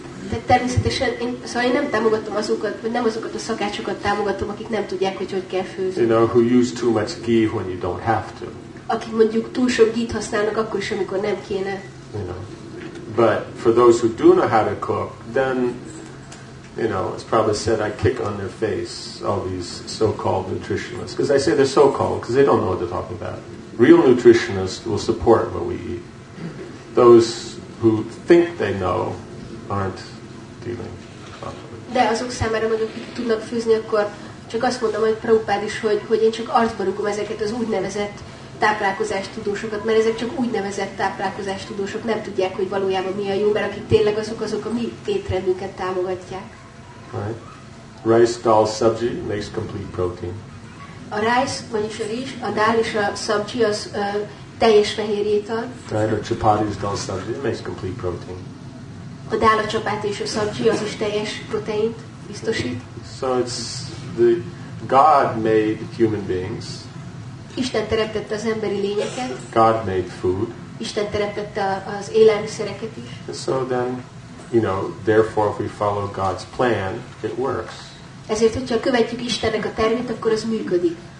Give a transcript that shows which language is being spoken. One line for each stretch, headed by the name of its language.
Hungarian: De természetesen én nem támogatom azokat, vagy nem azokat a szakácsokat támogatom, akik nem tudják, hogy hogy kell főzni.
English: You know, who use too much ghee when you don't have to.
Hungarian: Akik mondjuk túl sok ghee-t használnak akkor is, amikor nem kéne.
English: You know. But for those who do know how to cook, then, you know, it's probably said I kick on their face all these so-called nutritionists. Because I say they're so-called, because they don't know what they're talking about. Real nutritionists will support what we eat. Those who think they know aren't dealing properly.
Hungarian: De azok számára mondjuk, akik tudnak főzni, akkor csak azt mondom, hogy Prabhupád is, hogy én csak arcba rúgom ezeket az úgynevezett táplálkozástudósokat, mert ezek csak úgynevezett táplálkozástudósok, nem tudják, hogy valójában mi a jó, mert akik tényleg azok a mi étrendünket támogatják.
English: Right. Rice, dal, sabji makes complete protein.
Hungarian: A rice, vagyis a rizs, a dal és a sabji az teljes fehérjét ad.
English: Right, or chapatis, dal, sabji makes complete protein.
Hungarian: A dál, a csapát és a szabcsi az is teljes proteint biztosít.
English: So it's the God made human beings.
Hungarian: Isten teremtette az emberi lényeket.
English: God made food.
Hungarian: Isten teremtette az élelmiszereket is.
English: So then, you know, therefore if we follow God's plan, it works.
Hungarian: Ezért, hogyha követjük Istennek a tervét, akkor az működik.